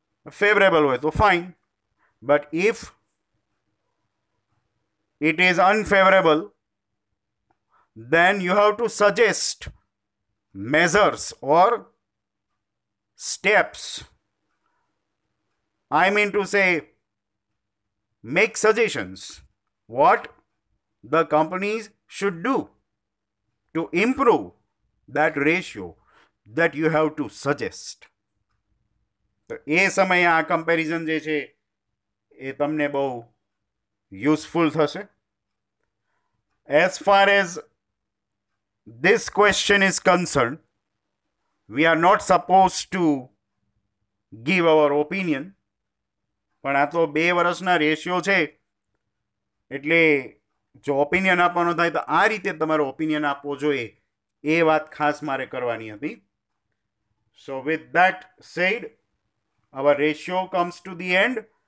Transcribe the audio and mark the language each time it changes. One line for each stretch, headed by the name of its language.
Gujarati: Favourable હોય તો fine,
English: But if it is unfavourable then you have to suggest measures or steps. I mean to say, make suggestions what the companies should do to improve that ratio that you have to suggest.
Gujarati: તો એ સમયે આ comparison જે છે એ તમને બહુ useful થશે.
English: As far as this question is concerned, we are not supposed to give our opinion.
Gujarati: પણ આ તો બે વર્ષના રેશિયો છે, એટલે જો ઓપિનિયન આપવાનો થાય તો આ રીતે તમારો ઓપિનિયન આપવો જોઈએ, એ વાત ખાસ મારે કરવાની હતી.
English: So with that said, our ratio comes to the end.